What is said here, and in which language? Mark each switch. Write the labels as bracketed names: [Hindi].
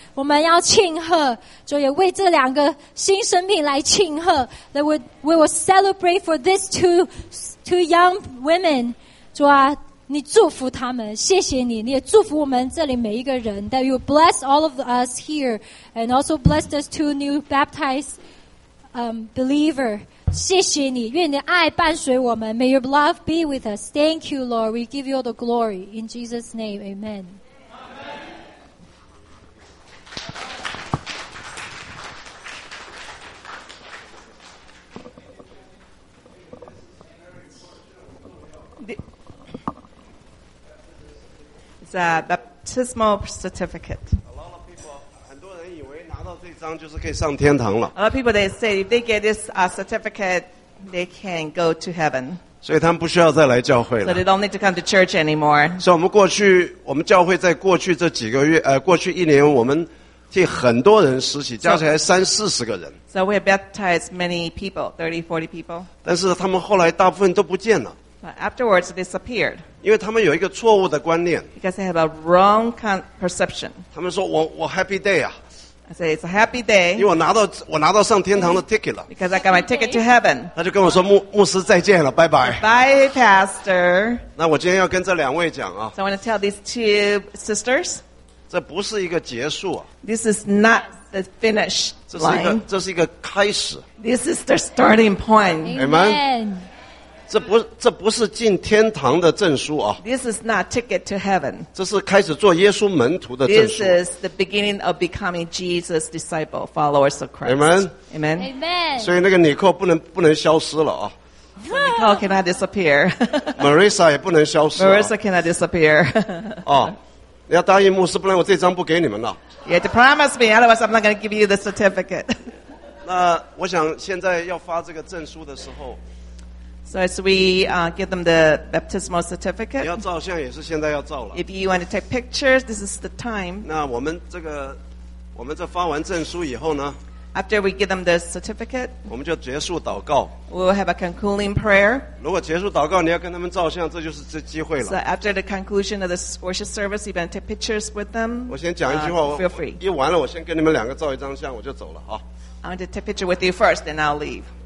[Chinese] 我们要庆贺，主也为这两个新生命来庆贺。 [English] That we will celebrate for these two young women. [Chinese] 主啊，你祝福他们，谢谢你，你也祝福我们这里每一个人。 [English] That you bless all of us here, and also bless those two new baptized believer. [Chinese] 谢谢你，愿你的爱伴随我们。 [English] May your love be with us. Thank you, Lord. We give you all the glory in Jesus' name. Amen. The baptismal certificate. A lot of people, they say if they get this certificate, they can go to heaven. So they don't need to come to church anymore. So we, [Chinese] 过去我们教会在过去这几个月过去一年我们替很多人施洗，加起来三四十个人。 [English] So we have baptized many people, 30-40 people. [Chinese] 但是他们后来大部分都不见了。 [English] But afterwards, it disappeared. [Chinese] 因为他们有一个错误的观念。 [English] Because they have a wrong perception. [Chinese] 他们说我 [English] happy day [Chinese] 啊。 [English] I say it's a happy day. [Chinese] 因为我拿到上天堂的 ticket 了。 [English] Because I got my ticket to heaven. [Chinese] 他就跟我说牧师再见了，拜拜。 [English] Bye, pastor. [Chinese] 那我今天要跟这两位讲啊。 [English] So I want to tell these two sisters. [Chinese] 这不是一个结束啊。 [English] This is not the finish line. [Chinese] 这是一个开始。 [English] This is the starting point. Amen. [Chinese] 这不是进天堂的证书啊。 [English] This is not ticket to heaven. [Chinese] 这是开始做耶稣门徒的证书。 [English] This is the beginning of becoming Jesus' disciple, followers of Christ. Amen. Amen. Amen. [Chinese] 所以那个尼克不能消失了啊。 [English] So、Nicole cannot disappear. [Chinese] Marissa 也不能消失、啊。 [English] Marissa cannot disappear. [Chinese] 哦，你要答应牧师，不然我这张不给你们了。 [English] You have to promise me, otherwise I'm not going to give you the certificate. [Chinese] 那我想现在要发这个证书的时候。 [English] So as we give them the baptismal certificate, [Chinese] 你要照相也是现在要照了。 [English] If you want to take pictures, this is the time. [Chinese] 那我们这发完证书以后呢？ [English] After we give them the certificate, [Chinese] 我们就结束祷告。 [English] We'll have a concluding prayer. [Chinese] 如果结束祷告，你要跟他们照相，这就是这机会了。 [English] So after the conclusion of this worship service, you want to take pictures with them. [Chinese] 我先讲一句话， [English] feel free. [Chinese] 一完了，我先跟你们两个照一张相，我就走了啊。 [English] I want to take picture with you first, then I'll leave.